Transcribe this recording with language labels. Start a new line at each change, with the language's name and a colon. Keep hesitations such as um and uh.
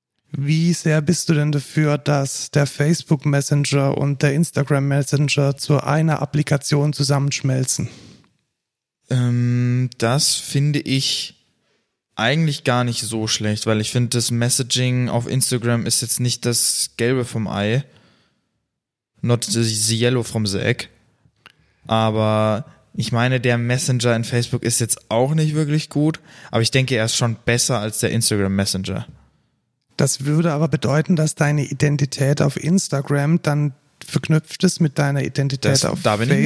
German: Wie sehr bist du denn dafür, dass der Facebook Messenger und der Instagram Messenger zu einer Applikation zusammenschmelzen? Ähm, das finde ich eigentlich gar nicht so schlecht, weil ich finde, das Messaging auf Instagram ist jetzt nicht das Gelbe vom Ei.
English: Not the the yellow from the egg.
German: Aber ich meine, der Messenger in Facebook ist jetzt auch nicht wirklich gut, aber ich denke, er ist schon besser als der Instagram Messenger. Das würde aber bedeuten, dass deine Identität auf Instagram dann verknüpft ist mit deiner Identität Das, auf da bin Facebook.